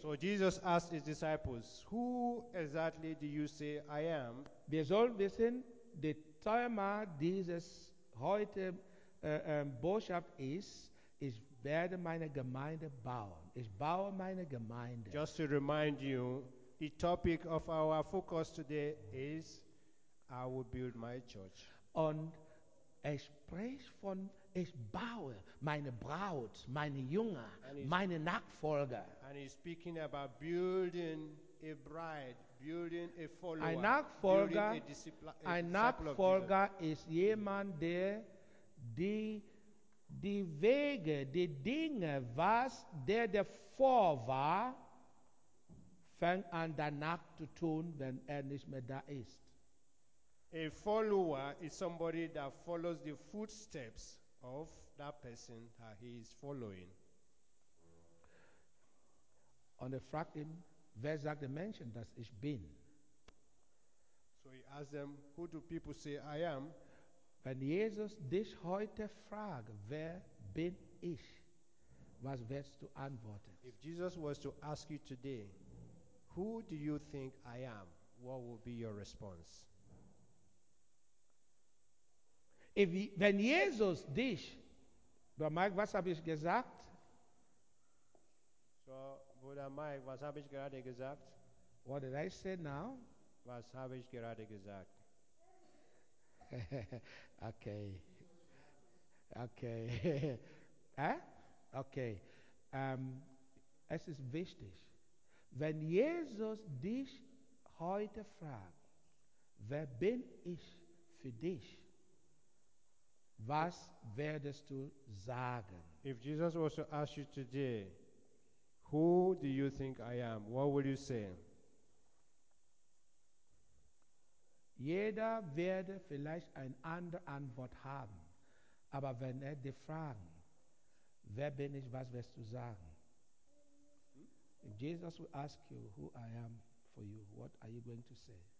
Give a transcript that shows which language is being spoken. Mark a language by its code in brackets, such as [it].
[en] So, Jesus asked his disciples, who exactly do you say I am? [de] Wir sollen wissen, der Thema dieses heute Botschaft ist, ich werde meine Gemeinde bauen. Ich baue meine Gemeinde. [en] Just to remind you, the topic of our focus today is I will build my church. [de] Und ich spreche von, ich baue meine Braut, meine Jünger, meine Nachfolger. [en] And he's speaking about building a bride, building a follower. [de] Ein Nachfolger, ein Nachfolger ist jemand, der die die Wege, die Dinge, was der davor war, fängt an danach zu tun, wenn nicht mehr da ist. [en] A follower is somebody that follows the footsteps of that person that he is following. [de] Und er fragt ihn, wer sagt der Mensch, dass ich bin? [en] So he asks them, who do people say I am? [de] Wenn Jesus dich heute fragt, wer bin ich, was wirst du antworten? [en] If Jesus was to ask you today, who do you think I am, what would be your response? [de] Wenn Jesus dich, Mike, was habe ich gesagt? So, Bruder Mike, was habe ich gerade gesagt? [en] What did I say now? [de] Was habe ich gerade gesagt? Okay. Okay. Es ist wichtig, wenn Jesus dich heute fragt, wer bin ich für dich, was werdest du sagen? [en] If Jesus was to ask you today, who do you think I am, what will you say? [de] Jeder werde vielleicht eine andere Antwort haben. Aber wenn er dich fragt, wer bin ich, was wirst du sagen? [en] If Jesus will ask you who I am for you, what are you going to say?